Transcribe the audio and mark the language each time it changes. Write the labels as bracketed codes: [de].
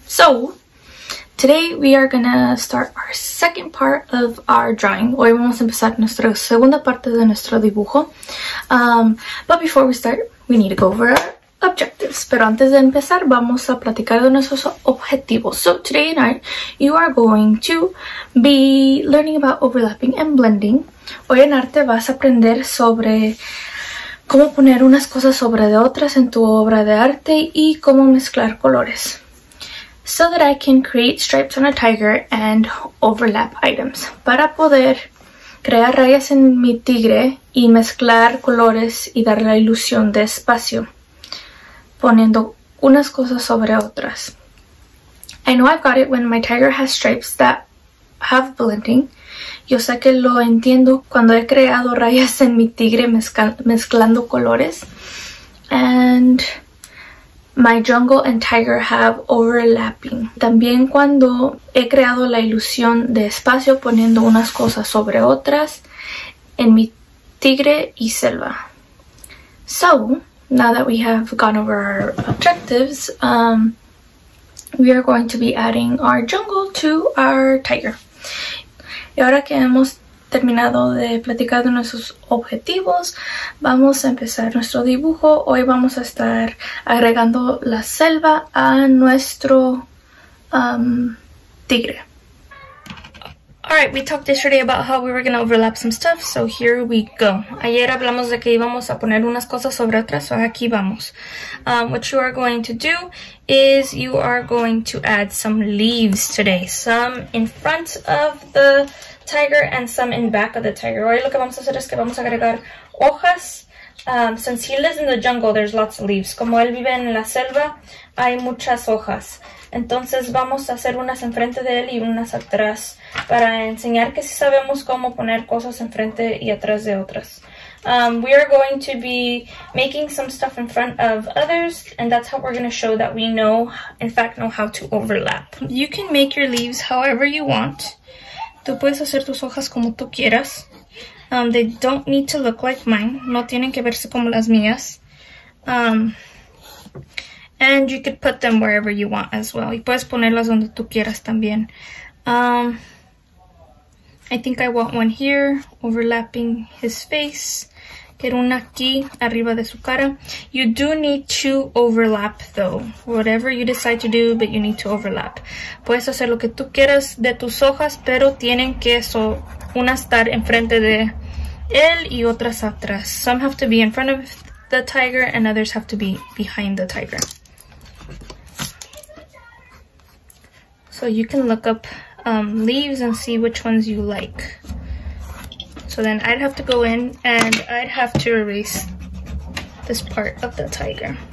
[en] So, today we are gonna start our second part of our drawing. [es] Hoy vamos a empezar nuestra segunda parte de nuestro dibujo. [en] But before we start, we need to go over our objectives. [es] Pero antes de empezar, vamos a platicar de nuestros objetivos. [en] So, today and art, you are going to be learning about overlapping and blending. [es] Hoy en arte vas a aprender sobre cómo poner unas cosas sobre de otras en tu obra de arte y cómo mezclar colores. [en] So that I can create stripes on a tiger and overlap items. [es] Para poder crear rayas en mi tigre y mezclar colores y dar la ilusión de espacio poniendo unas cosas sobre otras. [en] I know I've got it when my tiger has stripes that have blending. [es] Yo sé que lo entiendo cuando he creado rayas en mi tigre mezclando colores. [en] And my jungle and tiger have overlapping. [es] También cuando he creado la ilusión de espacio poniendo unas cosas sobre otras en mi tigre y selva. [en] So, now that we have gone over our objectives, we are going to be adding our jungle to our tiger. [es] Y ahora que hemos terminado de platicar de nuestros objetivos, vamos a empezar nuestro dibujo. Hoy vamos a estar agregando la selva a nuestro tigre. [en] Alright, we talked yesterday about how we were going to overlap some stuff, so here we go. [es] Ayer hablamos de que íbamos a poner unas cosas sobre otras, so aquí vamos. [en] What you are going to do is you are going to add some leaves today. Some in front of the tiger and some in back of the tiger. [es] Hoy lo que vamos a hacer es que vamos a agregar hojas. [en] Since he lives in the jungle, there's lots of leaves. [es] Como él vive en la selva, hay muchas hojas. Entonces vamos a hacer unas enfrente de él y unas atrás para enseñar que sí sabemos cómo poner cosas enfrente y atrás de otras. [en] We are going to be making some stuff in front of others, and that's how we're going to show that we know, in fact, know how to overlap. You can make your leaves however you want. [es] Tú puedes hacer tus hojas como tú quieras. [en] They don't need to look like mine. [es] No tienen que verse como las mías. [en] And you could put them wherever you want as well. [es] Y puedes ponerlas donde tú quieras también. [en] I think I want one here, overlapping his face. [es] Quiero una aquí, arriba de su cara. [en] You do need to overlap though. Whatever you decide to do, but you need to overlap. [es] Puedes hacer lo que tú quieras de tus hojas, pero tienen que eso, una estar enfrente de él y otras atrás. [en] Some have to be in front of the tiger and others have to be behind the tiger. So you can look up leaves and see which ones you like. So then I'd have to go in and I'd have to erase this part of the tiger.